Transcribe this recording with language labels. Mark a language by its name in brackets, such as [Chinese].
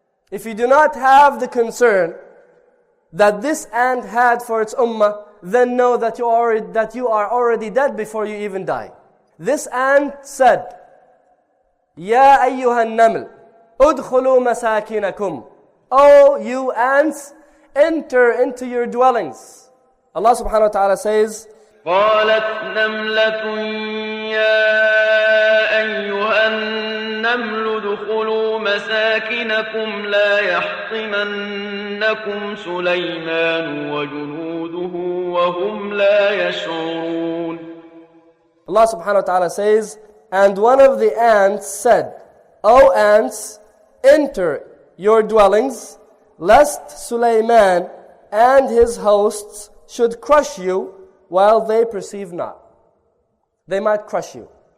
[English] If you do not have the concern that this ant had for its ummah, then know that you are already dead before you even die. This ant said, [Arabic] "Ya ayyuha an-naml, udkhulu masakinakum." [English] Oh, you ants, enter into your dwellings. Allah subhanahu wa ta'ala says, [Arabic] "Qalat namlatun ya ayyuha an-naml udkhulu مساكنكم لا يحطمنكم سليمان وجنوده وهم لا يشعرون." [English] Allah subhanahu wa ta'ala says, and one of the ants said, "O ants, enter your dwellings, lest Sulaiman and his hosts should crush you while they perceive not." They might crush you.